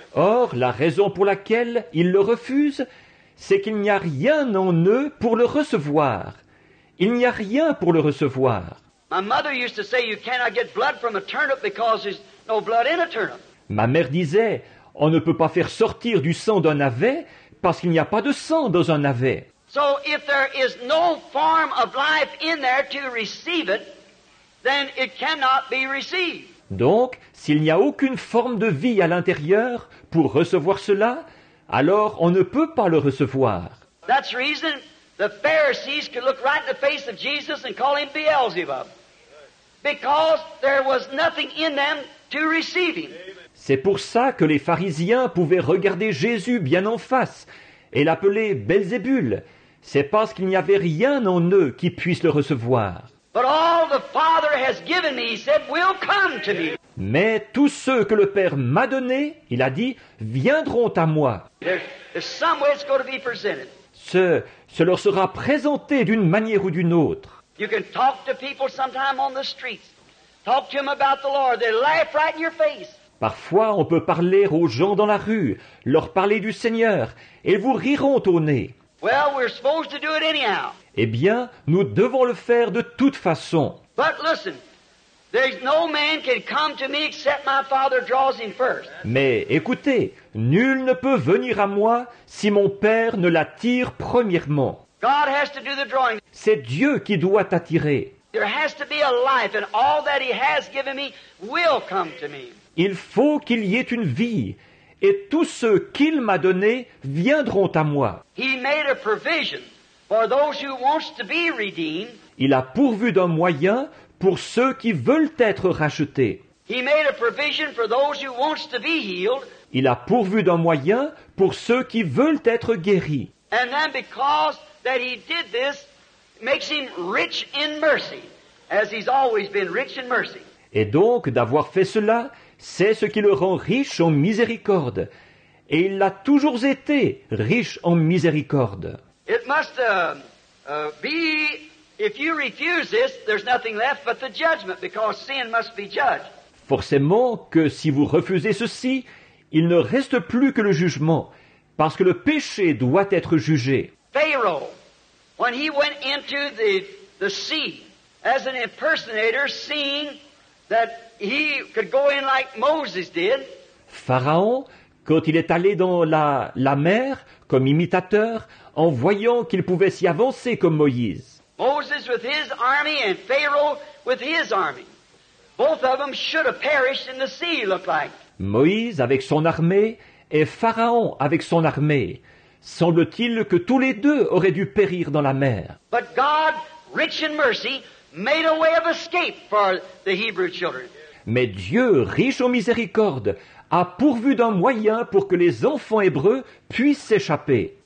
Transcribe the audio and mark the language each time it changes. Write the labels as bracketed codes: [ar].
[fr] Or, la raison pour laquelle ils le refusent, c'est qu'il n'y a rien en eux pour le recevoir. Il n'y a rien pour le recevoir. [en] My mother used to say you cannot get blood from a turnip because there's no blood in a turnip. [fr] Ma mère disait, on ne peut pas faire sortir du sang d'un navet parce qu'il n'y a pas de sang dans un navet. [en] So if there is no form of life in there to receive it, then it cannot be received. [fr] Donc, s'il n'y a aucune forme de vie à l'intérieur pour recevoir cela, alors on ne peut pas le recevoir. [en] That's reason the Pharisees could look right in the face of Jesus and call him Beelzebub. Because there was nothing in them to receive him. [fr] C'est pour ça que les pharisiens pouvaient regarder Jésus bien en face et l'appeler Belzébul. C'est parce qu'il n'y avait rien en eux qui puisse le recevoir. [en] But all the Father has given me, he said, will come to me. [fr] Mais tous ceux que le Père m'a donné, il a dit, viendront à moi. [en] There's some way it's going to be presented. [fr] Ce leur sera présenté d'une manière ou d'une autre. [en] You can talk to people sometime on the streets. Talk to them about the Lord. They laugh right in your face. [fr] Parfois, on peut parler aux gens dans la rue, leur parler du Seigneur, et ils vous riront au nez. [en] Well, we're supposed to do it anyhow. [fr] Eh bien, nous devons le faire de toute façon. [en] But listen, there's no man can come to me except my Father draws him first. [fr] Mais écoutez, nul ne peut venir à moi si mon Père ne l'attire premièrement. [en] God has to do the drawing. [fr] C'est Dieu qui doit attirer. [en] There has to be a life, and all that he has given me will come to me. [fr] Il faut qu'il y ait une vie, et tous ceux qu'il m'a donnés viendront à moi. [en] He made a provision for those who wants to be redeemed. [fr] Il a pourvu d'un moyen pour ceux qui veulent être rachetés. [en] He made a provision for those who wants to be healed. [fr] Il a pourvu d'un moyen pour ceux qui veulent être guéris. [en] And then because that he did this, makes him rich in mercy, as he's always been rich in mercy. [fr] Et donc, d'avoir fait cela, c'est ce qui le rend riche en miséricorde. Et il l'a toujours été, riche en miséricorde. [en] It must be, if you refuse this, there's nothing left but the judgment, because sin must be judged. [fr] Forcément que si vous refusez ceci, il ne reste plus que le jugement, parce que le péché doit être jugé. [en] Pharaoh, when he went into the sea as an impersonator, seeing that he could go in like Moses did. [fr] Pharaon, quand il est allé dans la mer comme imitateur, en voyant qu'il pouvait s'y avancer comme Moïse. [en] Moses with his army and Pharaoh with his army. Both of them should have perished in the sea, it looked like. [fr] Moïse avec son armée et Pharaon avec son armée. Semble-t-il que tous les deux auraient dû périr dans la mer. [en] But God, rich in mercy, made a way of escape for the Hebrew children. [fr] Mais Dieu, riche en miséricorde, a pourvu d'un moyen pour que les enfants hébreux puissent s'échapper.